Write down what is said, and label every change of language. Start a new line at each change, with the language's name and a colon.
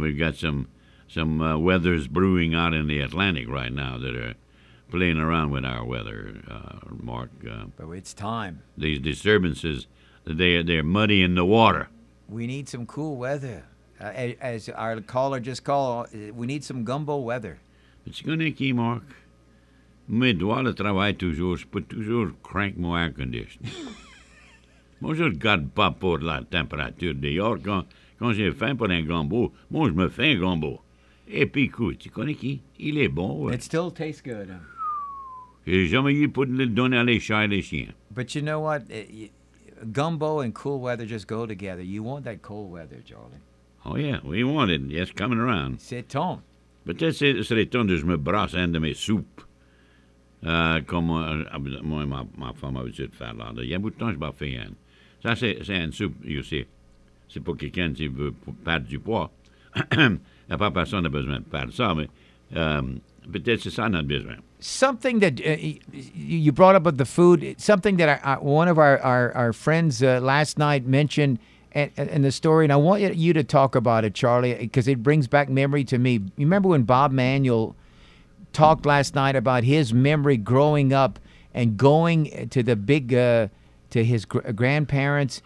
English: We've got some weathers brewing out in the Atlantic right now that are playing around with our weather, Mark. But it's time. These disturbances, they're muddy in the water. We need some cool weather. As our caller just called, we need some gumbo weather. It's going to be, Mark.
French: Moi, je dois le travail toujours. Je peux toujours
English: crank
French: mon
English: air conditioning.
French: Moi, je ne regarde pas pour la température dehors. Quand j'ai faim pour un gambo, moi, je me fais un gambo. Et puis, écoute, tu connais qui? Il est bon, ouais.
English: It still tastes good. Hein?
French: J'ai jamais eu pour le donner à les chats et les chiens.
English: But you know what? Gumbo and cool weather just go together. You want that cold weather, Charlie. Oh, yeah, we want it. It's coming around.
French: C'est temps. Peut-être que ce serait temps que je me brasse un de mes soupes. Comme moi, ma femme a besoin de faire là. Il y a beaucoup de temps, je m'en fais un. Ça, c'est un soupe,
English: you see.
French: C'est pour quelqu'un qui veut perdre du poids. Il n'y a pas personne qui a besoin de perdre ça, mais peut-être c'est ça notre besoin.
English: Something that you brought up with the food, something that one of our friends last night mentioned in the story, and I want you to talk about it, Charlie, because it brings back memory to me. You remember when Bob Manuel talked last night about his memory growing up and going to the big, to his grandparents,